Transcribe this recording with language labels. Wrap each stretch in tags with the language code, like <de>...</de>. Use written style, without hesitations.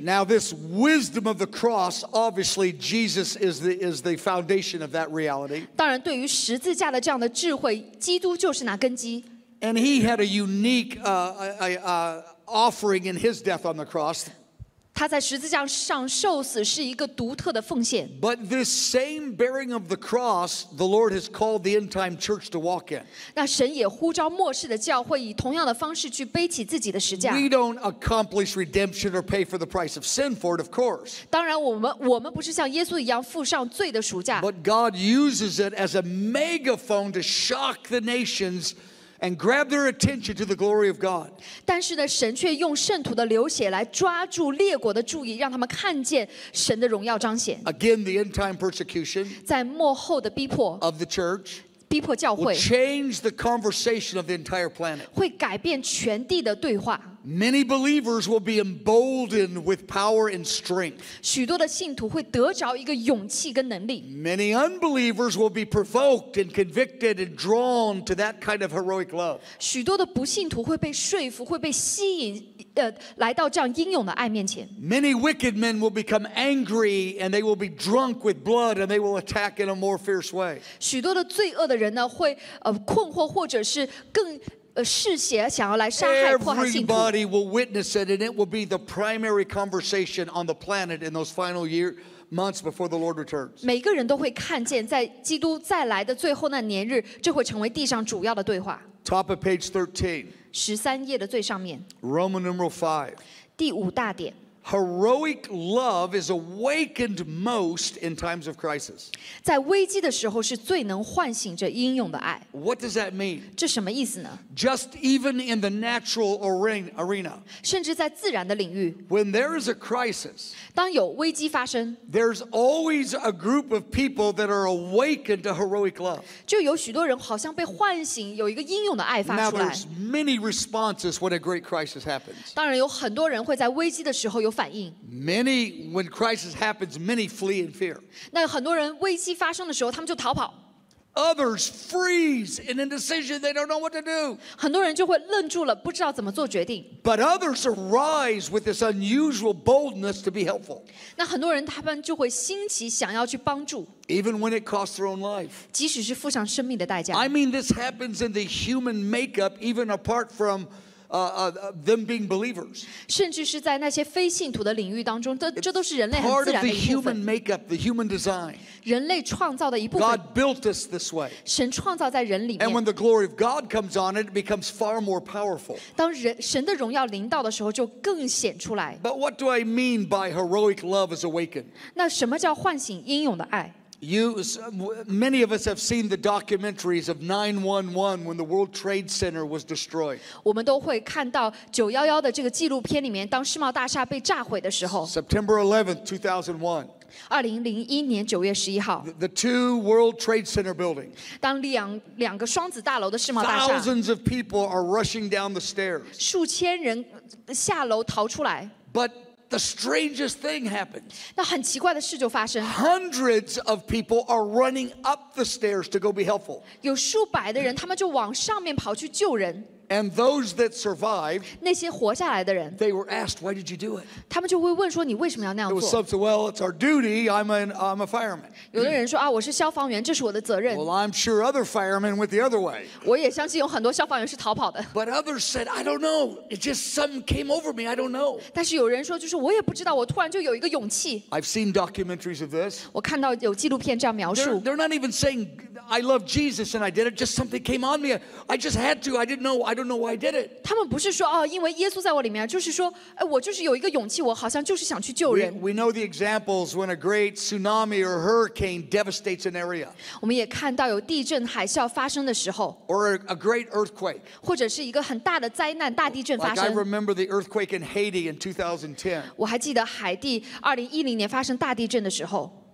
<en>Now this wisdom of the cross, obviously Jesus is the foundation of that reality.</en> <zh>当然，对于十字架的这样的智慧，基督就是那根基。</zh> <en>And he had a unique offering in his death on the cross.</en> <zh>他在十字架上受死是一个独特的奉献。</zh> <en>But this same bearing of the cross, the Lord has called the end time church to walk in.</en> <zh>那神也呼召末世的教会以同样的方式去背起自己的十字架。</zh> <en>We don't accomplish redemption or pay for the price of sin for it, of course.</en> <zh>当然我们不是像耶稣一样付上罪的赎价。</zh> <en>But God uses it as a megaphone to shock the nations. And grab their attention to the glory of God.</en> <zh>但是呢，神却用圣徒的流血来抓住列国的注意，让他们看见神的荣耀彰显。</zh> <en>Again, the end time persecution.</en> <zh>在末后的逼迫。</zh> <en>Of the church.</en> <zh>逼迫教会。</zh> <en>Will change the conversation of the entire planet.</en> <zh>会改变全地的对话。</zh> <en>Many believers will be emboldened with power and strength.</en> <zh>许多的信徒会得着一个勇气跟能力。</zh> <en>Many unbelievers will be provoked and convicted and drawn to that kind of heroic love.</en> <zh>许多的不信徒会被说服，会被吸引。来到这样英勇的爱面前。</zh> <en>Many wicked men will become angry, and they will be drunk with blood, and they will attack in a more fierce way.</en> <zh>许多的罪恶的人呢，会困惑或者是更嗜血，想要来杀害迫害信徒。</zh> <en>Everybody will witness it, and it will be the primary conversation on the planet in those final years. Months before the Lord returns.</en> <zh>每个人都会看见，在基督再来的最后那年日，这会成为地上主要的对话。</zh> <en>Top of page 13.</en> <zh>十三页的最上面。</zh> <en>Roman numeral 5.</en> <zh>第五大点。</zh> <en>Heroic love is awakened most in times of crisis.</en> <zh>在危机的时候，是最能唤醒着英勇的爱。</zh> <en>What does that mean?</en> <zh>这什么意思呢？</zh> <en>Just even in the natural arena.</en> <zh>甚至在自然的领域。</zh> <en>When there is a crisis.</en> <zh>当有危机发生。</zh> <en>There's always a group of people that are awakened to heroic love.</en> <zh>就有许多人好像被唤醒，有一个英勇的爱发出来。</zh> <en>Now there's many responses when a great crisis happens.</en> <zh>当然有很多人会在危机的时候。</zh> <en>Many, when crisis happens, many flee in fear.</en> <zh>那很多人危机发生的时候，他们就逃跑。</zh> <en>Others freeze in indecision; they don't know what to do.</en> <zh>很多人就会愣住了，不知道怎么做决定。</zh> <en>But others arise with this unusual boldness to be helpful.</en> <zh>那很多人他们就会兴起，想要去帮助。</zh> <en>Even when it costs their own life.</en> <zh>即使是付上生命的代价。</zh> <en>I mean, this happens in the human makeup, even apart from. Them being believers.</en> <zh>甚至是在那些非信徒的领域当中，这都是人类很自然的一部分。</zh> <en>Part of the human makeup, the human design.</en> <zh>人类创造的一部分。</zh> <en>God built us this way.</en> <zh>神创造在人里面。</zh> <en>And when the glory of God comes on, it becomes far more powerful.</en> <zh>当神的荣耀临到的时候，就更显出来。</zh> <en>But what do I mean by heroic love is awakened?</en> <zh>那什么叫唤醒英勇的爱？</zh> <en>Many of us have seen the documentaries of 9/11 when the World Trade Center was destroyed.</en> <zh>我们都会看到911的这个纪录片里面，当世贸大厦被炸毁的时候。</zh> <en>September 11, 2001.</en> <zh>2001年9月11号。</zh> <en>The two World Trade Center buildings.</en> <zh>当两个双子大楼的世贸大厦。</zh> <en>Thousands of people are rushing down the stairs.</en> <zh>数千人下楼逃出来。</zh> <en>But The strangest thing happens.</en> <zh>那很奇怪的事就发生。</zh> <en>Hundreds of people are running up the stairs to go be helpful.</en> <zh>有数百的人，他们就往上面跑去救人。</zh> <en>And those that survived,</en> <zh>那些活下来的人</zh> <en>they were asked, "Why did you do it?"</en> <zh>他们就会问说你为什么要那样做</zh> <en>It was something. Well, it's our duty. I'm a fireman.</en> <zh>有的人说啊，我是消防员，这是我的责任。</zh> <en>Well, I'm sure other firemen went the other way.</en> <zh>我也相信有很多消防员是逃跑的。</zh> <en>But others said, "I don't know. It just something came over me. I don't know."</en> <zh>但是有人说，就是我也不知道，我突然就有一个勇气。</zh> <en>I've seen documentaries of this.</en> <zh>我看到有纪录片这样描述。</zh> <en>They're not even saying, "I love Jesus and I did it." Just something came on me. I just had to. I didn't know. I don't know why I did it.</en> <zh>他们不是说哦，因为耶稣在我里面，就是说，哎，我就是有一个勇气，我好像就是想去救人。</zh> <en>We know the examples when a great tsunami or hurricane devastates an area.</en> <zh>我们也看到有地震、海啸发生的时候。</zh> <en>Or a great earthquake.</en> <zh>或者是一个很大的灾难，大地震发生。</zh> <en>Like I remember the earthquake in Haiti in 2010.</en> <zh>我还记得海地2010年发生大地震的时候。</zh>